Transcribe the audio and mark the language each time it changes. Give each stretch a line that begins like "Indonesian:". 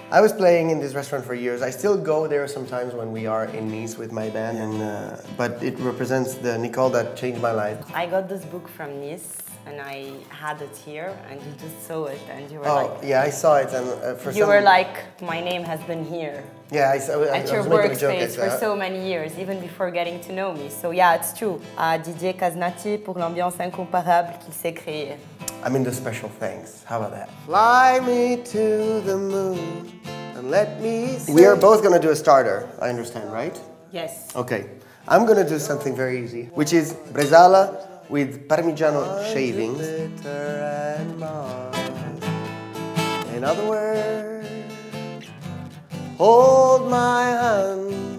English: I was playing in this restaurant for years. I still go there sometimes when we are in Nice with my band, and, but it represents the Nicole that changed my life. I got this book from Nice and I had it here and you just saw it and you were Yeah, I saw it and for you were like, my name has been here. Yeah, I saw it. At your workspace for so many years, even before getting to know me. So yeah, it's true.
French: Didier Casnati pour l'ambiance incomparable qu'il s'est créée.
English: I mean the special thanks. How about that? Fly me to the moon and let me see. We are both going to do a starter, I understand, right? Yes. Okay. I'm going to do something very easy, which is bresaola with parmigiano shavings. In other words, hold my hand.